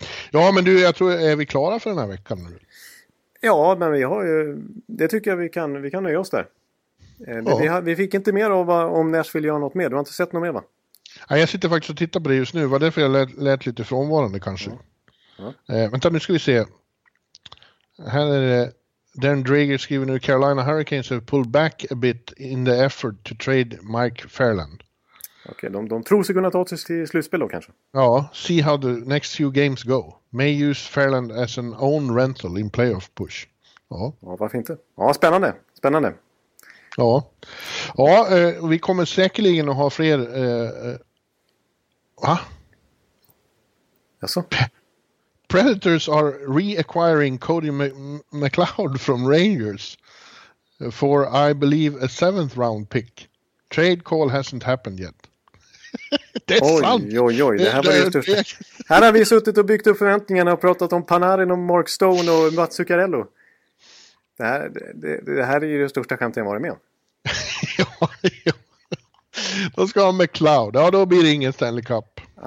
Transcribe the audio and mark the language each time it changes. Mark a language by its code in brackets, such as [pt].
[sv] Ja, men du, jag tror, är vi klara för den här veckan nu? Ja, men vi har ju, det tycker jag vi kan nöja oss där. Vi fick inte mer om Nashville gör något mer. Du har inte sett något mer, va? Nej, jag sitter faktiskt och tittar på det just nu. Var det för jag lät lite frånvarande kanske? Ja. Vänta, nu ska vi se. Här är det. [en] Dan Drager skriver nu: Carolina Hurricanes have pulled back a bit in the effort to trade Mike Fairland. [sv] Okej, de tror sig kunna ta sig till slutspel då kanske. [en] Ja, see how the next few games go. May use Fairland as an own rental in playoff push. [sv] Ja, ja, varför inte? Ja, spännande. Spännande. Ja, ja, vi kommer säkerligen att ha fler... Jaså? [en] Predators are reacquiring Cody McLeod from Rangers for, I believe, a 7th round pick. Trade call hasn't happened yet. [sv] Det är oj, sant. Oj, det här var ju tufft. Här har vi suttit och byggt upp förväntningarna och pratat om Panarin och Mark Stone och Mats Zuccarello. Det här är ju det största skämt jag varit med om. Ja, ja. Då ska han med Cloud. Ja, då blir det ingen Stanley Cup.